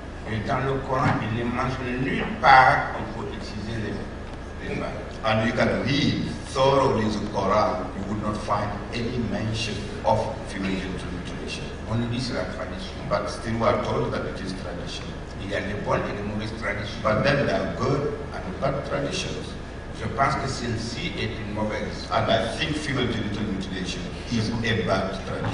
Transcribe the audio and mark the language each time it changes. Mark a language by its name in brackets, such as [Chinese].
[French] Et dans le Coran, il ne mentionne nulle part qu'il faut exciser les femmes. [English] And you can read thoroughly the Quran, you would not find any mention of female genital mutilation. Only this is a tradition. But still we are told that it is tradition. [French] Il y a des bonnes et des mauvaises traditions. [English] But then there are good and bad traditions. [French] Je pense que celle-ci est une mauvaise. [English] And I think female genital mutilation is a bad tradition.